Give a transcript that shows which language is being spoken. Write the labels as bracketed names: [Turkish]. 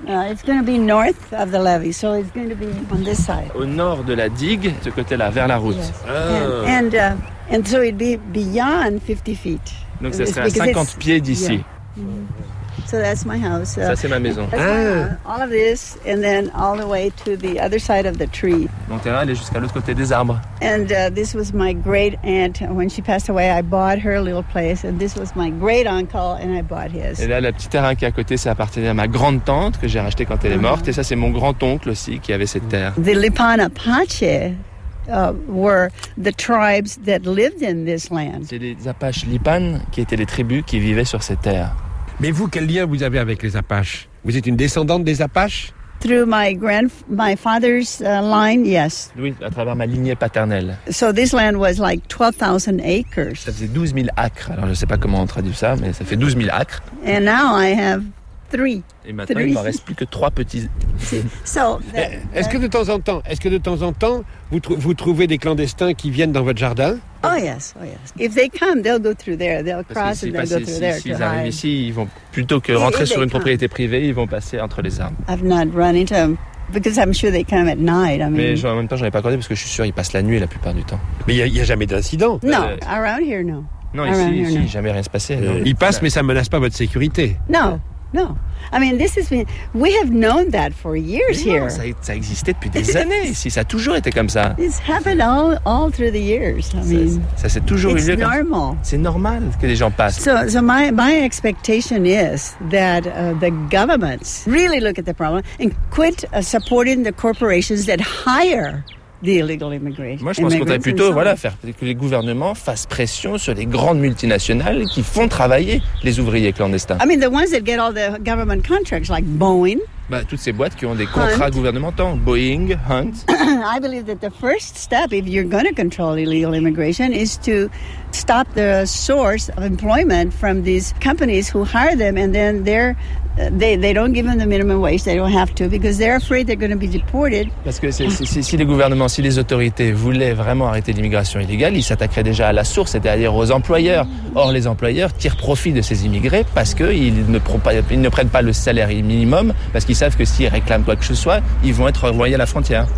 [English] It's going to be north of the levee, so it's going to be on this side. [French] Au nord de la digue, ce côté-là, vers la route. [English] Yes. Ah. And so it'd be beyond 50 feet. [French] Donc ça serait à 50 pieds d'ici. [English] Yeah. Mm-hmm. So that's my house. [French] Ça, c'est ma maison. Ah. [English] All of this, and then all the way to the other side of the tree. [French] Mon terrain, elle est jusqu'à l'autre côté des arbres. [English] And this was my great aunt. When she passed away, I bought her little place. And this was my great uncle, and I bought his. [French] Et là, le petit terrain qui est à côté, ça appartenait à ma grande tante que j'ai racheté quand elle est morte. Et ça, c'est mon grand oncle aussi qui avait cette terre. [English] The Lipan Apache were the tribes that lived in this land. [French] C'est les Apaches Lipan qui étaient les tribus qui vivaient sur cette terre. Mais vous, quel lien vous avez avec les Apaches? Vous êtes une descendante des Apaches? [English] Through my father's line, yes. [French] Oui, à travers ma lignée paternelle. [English] So this land was like 12,000 acres. [French] Ça faisait 12 000 acres. Alors, je ne sais pas comment on traduit ça, mais ça fait 12 000 acres. [English] And now I have three. [French] Et maintenant, three. Il ne reste plus que trois petits... [English] So [French] est-ce que de temps en temps, vous trouvez des clandestins qui viennent dans votre jardin? [English] Oh yes. If they come, they'll go through there. They'll cross and they'll go through there. [French] S'ils arrivent ici, ils vont plutôt que rentrer sur une propriété privée, ils vont passer entre les arbres. [English] I've not run into them because I'm sure they come at night. [French] Mais en même temps, j'en ai pas croisé parce que je suis sûr ils passent la nuit la plupart du temps. Mais il y a jamais d'incident. [English] No, around here, no. [French] Non, ici, jamais rien se passait. Ils passent, mais ça menace pas votre sécurité. [English] No. I mean, this has been. We have known that for years here. [French] Ça existait depuis des années. Si ça a toujours été comme ça. [English] It's happened all through the years. I mean, [French] ça s'est toujours eu. [English] It's normal. [French] C'est normal que les gens passent. [English] So my expectation is that the governments really look at the problem and quit supporting the corporations that hire the illegal immigrants. [French] Moi, je pense qu'on devrait plutôt faire que les gouvernements fassent pression sur les grandes multinationales qui font travailler les ouvriers clandestins. [English] I mean, the ones that get all the government contracts, like Boeing. [French] Bah, toutes ces boîtes qui ont des contrats gouvernementaux, Boeing, Hunt. [English] I believe that the first step, if you're going to control illegal immigration, is to stop the source of employment from these companies who hire them, and then they're They don't give them the minimum wage. They don't have to because they're afraid they're going to be deported. [French] Parce que si les gouvernements, si les autorités voulaient vraiment arrêter l'immigration illégale, ils s'attaqueraient déjà à la source, c'est-à-dire aux employeurs. Or, les employeurs tirent profit de ces immigrés parce qu'ils ne prennent pas le salaire minimum, parce qu'ils savent que s'ils réclament quoi que ce soit, ils vont être renvoyés à la frontière.